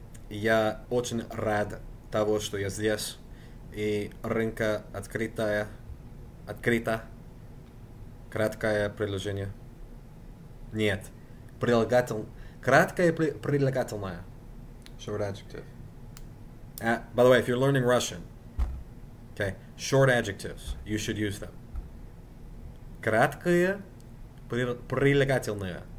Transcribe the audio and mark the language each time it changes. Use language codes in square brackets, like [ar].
[ru] Ja, очень рад того, что я здесь. И рынка открытая, открыта. Краткое предложение. Нет, прилагательное. Краткое прилагательное. [en] Short adjective. By the way, if you're learning Russian, okay, short adjectives, you should use them. [ru] Краткое прилагательное.